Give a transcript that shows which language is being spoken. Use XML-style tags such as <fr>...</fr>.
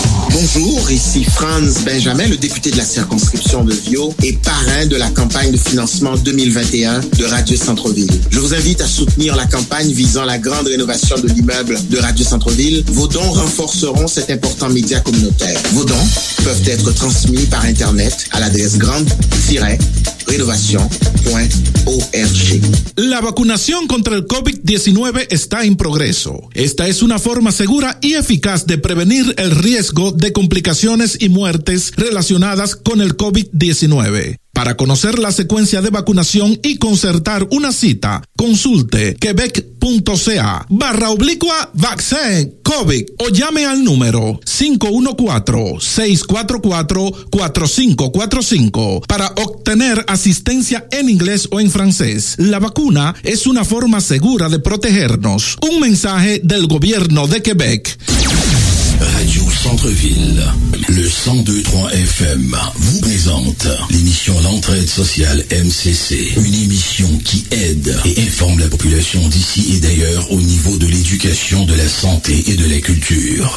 <fr>Bonjour, ici Franz Benjamin, le député de la circonscription de Viau et parrain de la campagne de financement 2021 de Radio Centre-Ville. Je vous invite à soutenir la campagne visant la grande rénovation de l'immeuble de Radio Centre-Ville. Vos dons renforceront cet important média communautaire. Vos dons peuvent être transmis par Internet à l'adresse grande-rénovation.org.</fr> <es>La vacunación contra el COVID-19 está en progreso. Esta es una forma segura y eficaz de prevenir el riesgo de complicaciones y muertes relacionadas con el COVID-19. Para conocer la secuencia de vacunación y concertar una cita, consulte quebec.ca/vaccin-covid o llame al número 514-644-4545 para obtener asistencia en inglés o en francés. La vacuna es una forma segura de protegernos. Un mensaje del gobierno de Quebec.</es> <fr>Radio Centre-Ville, le 102.3 FM, vous présente l'émission L'Entraide Sociale MCC, une émission qui aide et informe la population d'ici et d'ailleurs au niveau de l'éducation, de la santé et de la culture.</fr>